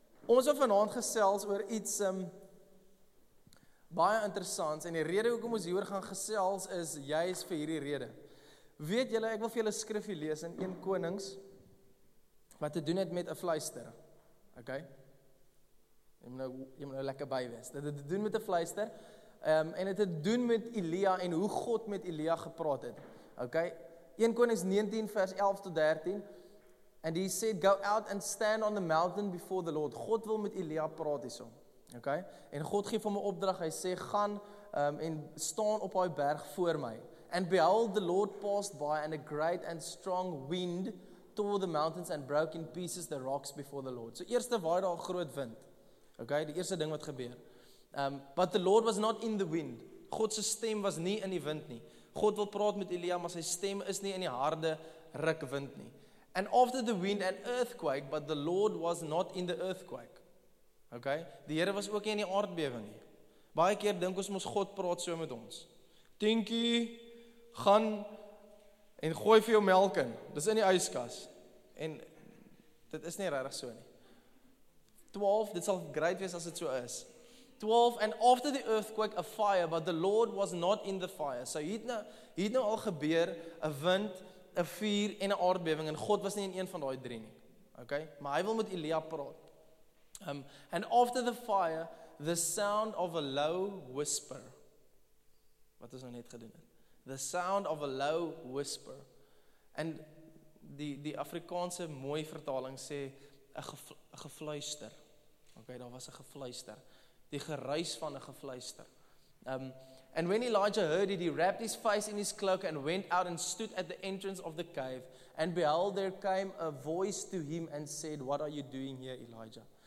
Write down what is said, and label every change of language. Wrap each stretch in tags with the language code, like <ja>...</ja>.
<af>Ons het vanavond gesels oor iets baie interessants, en die rede hoekom ons hieroor gaan gesels is juist vir hierdie rede. Weet julle, ek wil vir julle skrifie lees in 1 Konings, wat te doen het met 'n fluister. Ok? Jy moet nou lekker by wees. Dit het te doen met 'n fluister, en het te doen met Elia, en hoe God met Elia gepraat het. Ok? 1 Konings 19 vers 11 tot 13,</af> <en>and he said, go out and stand on the mountain before the Lord.</en> <af>God wil met Elia praat hierso. Okay? En God gee vir my opdrag, hy sê, gaan en staan op hy berg voor my.</af> <en>And behold, the Lord passed by and a great and strong wind tore the mountains and broke in pieces the rocks before the Lord.</en> <af>So eerste waai daar groot wind. Okay, die eerste ding wat gebeur.</af> <en>But the Lord was not in the wind.</en> <af>God se stem was nie in die wind nie. God wil praat met Elia, maar sy stem is nie in die harde rukwind nie.</af> <en>And after the wind an earthquake, but the Lord was not in the earthquake.</en> <af>Okay, die Here was ook nie in die aardbewing nie. Baie keer dink ons mos God praat so met ons. Tinkie, gaan en gooi vir jou melk in. Dis in die yskas. En dit is nie regtig so nie. 12, dit sal great wees as dit so is.</af> <en>12, and after the earthquake, a fire, but the Lord was not in the fire.</en> <af>So hier het nou al gebeur, 'n wind, 'n vuur en 'n aardbewing, en God was nie in een van die drie nie. Okay, maar hy wil met Elia praat.</af> <en>And after the fire, the sound of a low whisper.</en> <af>Wat is nou net gedoen het?</af> <en>The sound of a low whisper.</en> <af>And die Afrikaanse mooi vertaling sê, a gefluister. Okay, daar was 'n gefluister. Die geruis van 'n gefluister.</af> <en>And when Elijah heard it, he wrapped his face in his cloak and went out and stood at the entrance of the cave. And behold, there came a voice to him and said, what are you doing here, Elijah?</en>